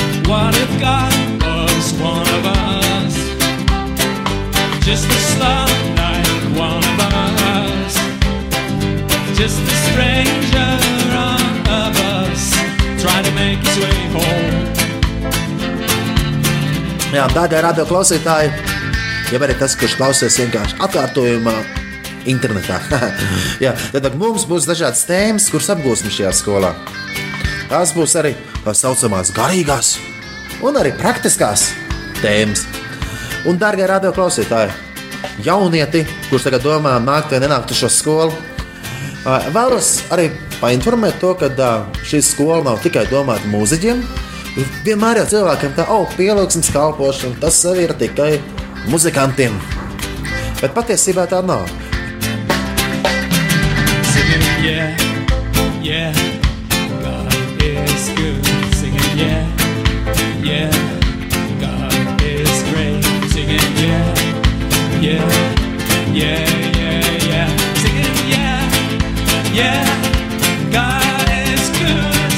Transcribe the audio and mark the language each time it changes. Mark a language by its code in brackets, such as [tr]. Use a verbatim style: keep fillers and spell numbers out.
[en] What if God was one of us? Just a slum like one of us. Just a stranger on of us trying to make his way home. [lv] Jā, dārgie radio klausītāji, ja arī tas, kurš klausās vienkārši atkārtojumā internetā. Jā, tad mums būs dažādas tēmas, kuras apgūsim šajā skolā. Tās būs arī tā saucamās garīgās un arī praktiskās tēmas. Un, dārgie radio klausītāji, jaunieti, kurš tagad domā nākt vai nenākt uz šo skolu, vēlos arī painformēt to, ka šī skola nav tikai domāta mūziķiem. Vienmēr jau cilvēkiem tā, o, oh, pielūgsmes kalpošana, tas arī ir tikai muzikantiem, bet patiesībā tā nav. [en] Sing it, yeah, yeah, God is good. Sing it, yeah, yeah, God is great. Sing it, yeah, yeah, yeah, yeah, yeah. Sing it, yeah, yeah, God is good.